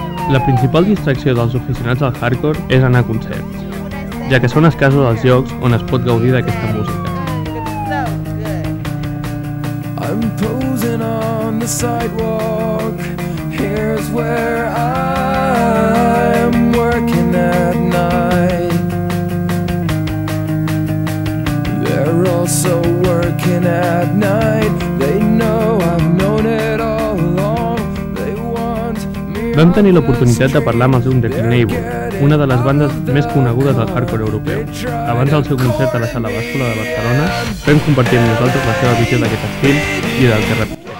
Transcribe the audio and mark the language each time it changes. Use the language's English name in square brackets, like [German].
[Catalan] La principal distracció dels aficionats al hardcore és anar a concerts, ja que són escassos els llocs on es pot gaudir d'aquesta música. [English] I'm posing on the sidewalk, here's where I'm working at night. They're also working at night, they know I've known it all along. They want me. [Catalan] Vam tenir l'oportunitat de parlar amb els Young Death Neighbor, una de les bandes més conegudes del hardcore europeu. Abans del seu concert a la Sala Bàscula de Barcelona, vam compartir amb nosaltres la seva visió d'aquest estil i del que rep.